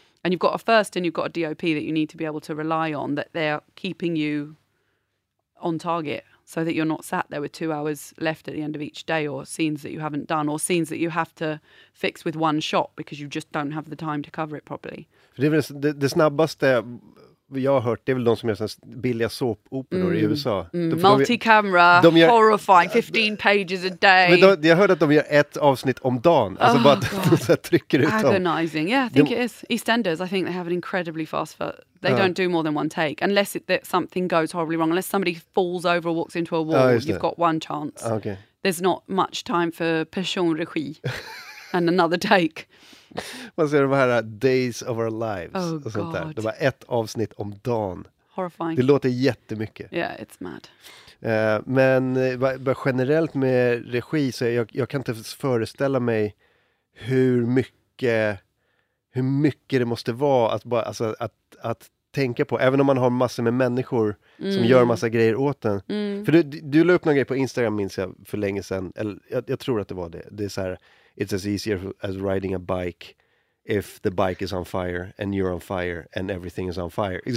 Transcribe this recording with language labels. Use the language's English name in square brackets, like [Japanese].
[English] And you've got a first and you've got a DOP that you need to be able to rely on, that they're keeping you on target so that you're not sat there with 2 hours left at the end of each day, or scenes that you haven't done, or scenes that you have to fix with one shot because you just don't have the time to cover it properly. [Swedish] För det är väl det snabbaste jag har hört, det är väl de som gör sådana billiga såpoperor i USA. [English] Mm. Multicamera, horrifying, 15 pages a day. [Swedish] Men jag hörde att de gör ett avsnitt om dagen. Oh, alltså bara att de trycker ut [English] dem. Agonizing, yeah, I think it is. EastEnders, I think they have an incredibly fast foot. They don't do more than one take. Unless that something goes horribly wrong, unless somebody falls over or walks into a wall, you've got one chance. Okay. There's not much time for passion regi and another take. [Swedish] Man ser de här Days of Our Lives och sånt där. Det var ett avsnitt om dagen. [English] Horrifying. [Swedish] Det låter jättemycket. [English] Yeah, it's mad. [Swedish] Men generellt med regi så jag kan inte föreställa mig hur mycket det måste vara att bara alltså att tänka på, även om man har massor med människor som gör massa grejer åt en. Mm. För du la upp någon grej på Instagram, minns jag, för länge sedan. Eller jag tror att det var det. Det är så här: [English] it's as easy as riding a bike if the bike is on fire and you're on fire and everything is on fire.